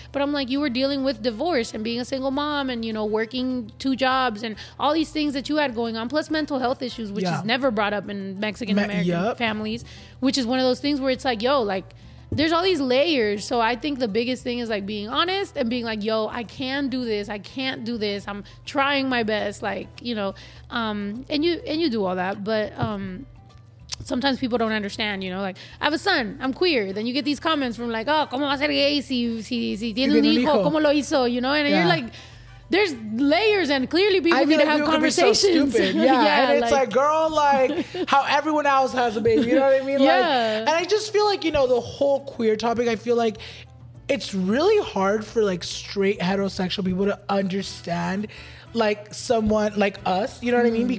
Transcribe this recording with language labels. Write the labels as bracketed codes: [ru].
[en] But I'm like, you were dealing with divorce and being a single mom and, you know, working two jobs and all these things that you had going on, plus mental health issues, which is never brought up in Mexican American families, which is one of those things where it's like, yo, like, there's all these layers. So I think the biggest thing is like being honest and being like, yo, I can do this. I can't do this. I'm trying my best. Like, you know, and you do all that. But sometimes people don't understand, you know, like, I have a son, I'm queer. Then you get these comments from like, oh, [es] ¿cómo va a ser gay si tiene un hijo? ¿Cómo lo hizo? [en] You know, and you're like, there's layers, and clearly people need to have conversations. So stupid. And it's like, girl, like, how everyone else has a baby. You know what I mean? Like, and I just feel like, you know, the whole queer topic, I feel like it's really hard for like straight heterosexual people to understand like someone like us. You know what I mean?